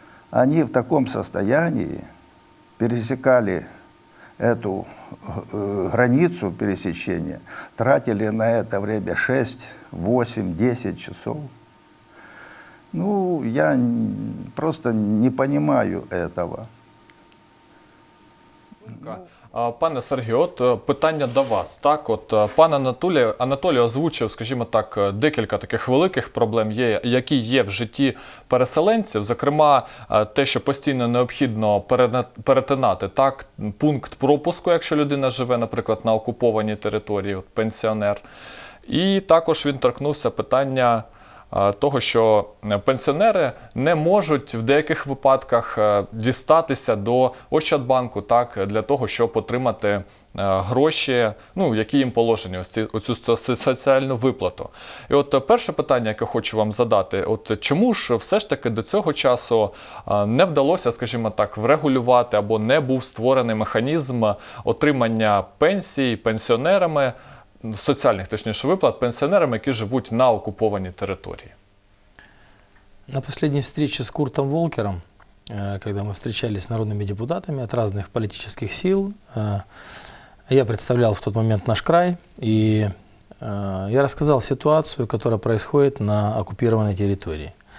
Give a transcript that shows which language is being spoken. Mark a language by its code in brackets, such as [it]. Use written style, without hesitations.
[ru] Они в таком состоянии пересекали эту границу пересечения, тратили на это время 6, 8, 10 часов. Ну, я просто не понимаю этого. [uk] Пане Сергію, от питання до вас. Так, от пан Анатолій озвучив, скажімо так, декілька таких великих проблем, є, які є в житті переселенців. Зокрема, те, що постійно необхідно перетинати так, пункт пропуску, якщо людина живе, наприклад, на окупованій території, от пенсіонер. І також він торкнувся питання того, що пенсіонери не можуть в деяких випадках дістатися до Ощадбанку, так, для того, щоб отримати гроші, ну, які їм положені, оцю соціальну виплату. І от перше питання, яке хочу вам задати, от чому ж все ж таки до цього часу не вдалося, скажімо так, врегулювати або не був створений механізм отримання пенсії пенсіонерами, [ru] социальных, точнее, выплат пенсионерам, которые живут на оккупированной территории. На последней встрече с Куртом Волкером, когда мы встречались с народными депутатами от разных политических сил, Я представлял в тот момент наш край, и я рассказал ситуацию, которая происходит на оккупированной территории.